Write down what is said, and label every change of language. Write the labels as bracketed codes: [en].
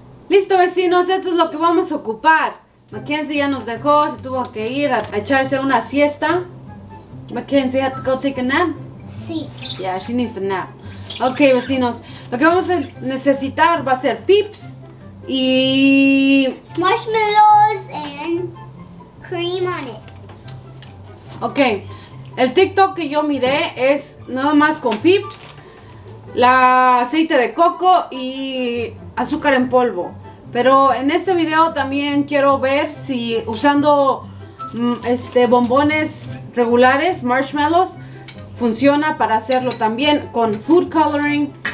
[es] Listo vecinos, esto es lo que vamos a ocupar. Mackenzie ya nos dejó, se tuvo que ir a echarse una siesta. [en] Mackenzie, ¿had to go take a nap? [es] Sí. [en] Yeah, she needs a nap. [es] Ok vecinos, lo que vamos a necesitar va a ser Peeps y... [en] marshmallows and cream on it. [es] Ok, el TikTok que yo miré es nada más con Peeps, la aceite de coco y azúcar en polvo. Pero en este video también quiero ver si usando bombones regulares, marshmallows, funciona para hacerlo también con food coloring.